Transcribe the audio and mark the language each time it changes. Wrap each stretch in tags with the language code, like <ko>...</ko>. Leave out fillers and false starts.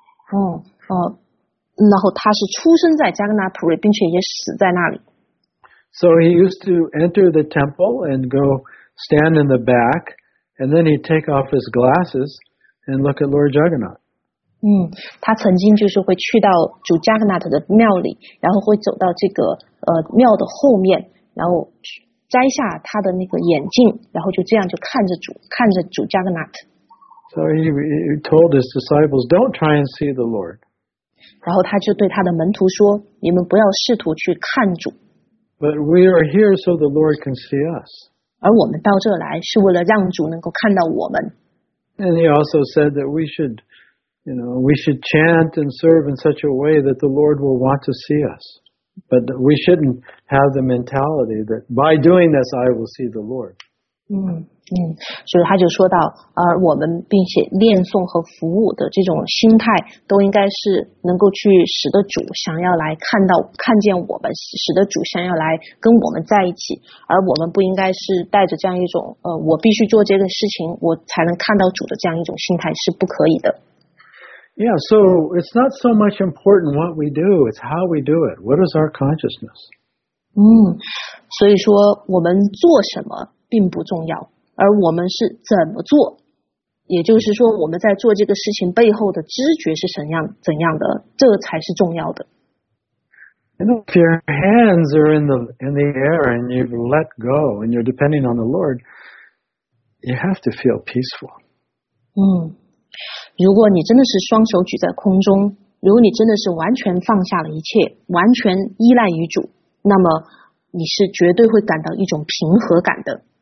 <zh>然后他是出生在加格纳普瑞，并且也死在那里。</zh> <en>So he used to enter the temple and go stand in the back, and then he'd take off his glasses and look at Lord Jagannath.</en> <zh>他曾经就是会去到主加格纳特的庙里，然后会走到这个庙的后面，然后摘下他的那个眼镜，然后就这样就看着主加格纳特。</zh> <en>So he told his disciples, "Don't try and see the Lord."</en> <zh>然后他就对他的门徒说，你们不要试图去看主。</zh> <en>But we are here so the Lord can see us.</en> <zh>而我们到这来是为了让主能够看到我们。</zh> <en>And he also said that we should chant and serve in such a way that the Lord will want to see us. But we shouldn't have the mentality that by doing this I will see the Lord.</en> <zh>所以他就说到，我们并且念诵和服务的这种心态，都应该是能够去使得主想要来看见我们，使得主想要来跟我们在一起，而我们不应该是带着这样一种，我必须做这个事情，我才能看到主的这样一种心态是不可以的。</zh> <en>Yeah, so it's not so much important what we do, it's how we do it. What is our consciousness?</en> <zh>所以说我们做什么并不重要。而我们是怎么做，也就是说我们在做这个事情背后的知觉是怎样的，这才是重要的。</zh> <en>If your hands are in the air and you've let go and you're depending on the Lord, you have to feel peaceful.</en> <zh>如果你真的是双手举在空中，如果你真的是完全放下了一切，完全依赖于主，那么你是绝对会感到一种平和感的。</zh>